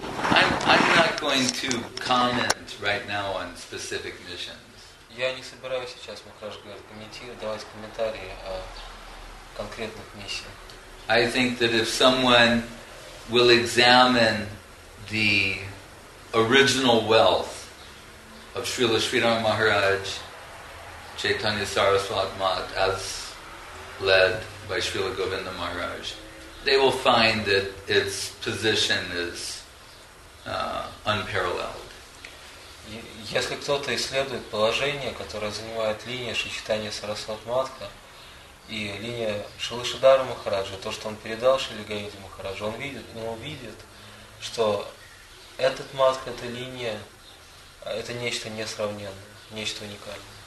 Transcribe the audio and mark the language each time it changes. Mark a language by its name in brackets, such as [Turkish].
[English] I'm not going to comment right now on specific missions. [Russian] Я не собираюсь сейчас, Махарадж говорит, комментировать, давать комментарии о конкретных миссиях. [English] I think that if someone will examine the original wealth of Srila Sridhar Maharaj, Chaitanya Saraswat Math, as led by Srila Govinda Maharaj, they will find that its position is unparalleled. [Russian] Если кто-то исследует положение, которое занимает линия Шичитания Сарасват Матха и линия Шрилы Шридхара Махараджа, то, что он передал Шриле Гаудия Махараджу, он увидит, что этот матх, эта линия, это нечто несравненное, нечто уникальное.